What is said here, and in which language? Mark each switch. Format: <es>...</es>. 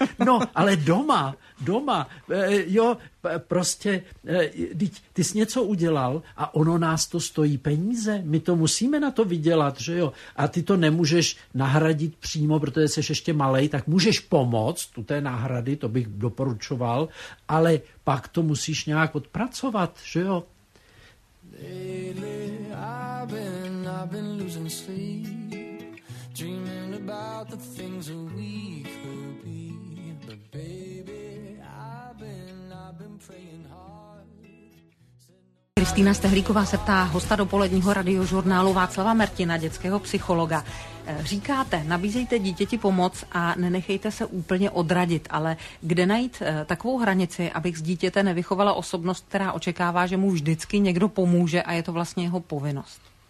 <cs>No, ale doma, jo, prostě, ty jsi něco udělal a ono nás to stojí peníze. My to musíme na to vydělat, že jo. A ty to nemůžeš nahradit přímo, protože jsi ještě malej, tak můžeš pomoct u té náhrady, to bych doporučoval, ale pak to musíš nějak odpracovat, že jo.</cs> <en>Lately I've been losing sleep, dreaming about the things that we could be, but baby I've been praying hard.</en> <cs>Kristýna Stehlíková se ptá hosta dopoledního radiožurnálu Václava Mertina, dětského psychologa. Říkáte, nabízejte dítěti pomoc a nenechejte se úplně odradit, ale kde najít takovou hranici, abych z dítěte nevychovala osobnost, která očekává, že mu vždycky někdo pomůže a je to vlastně jeho povinnost?</cs>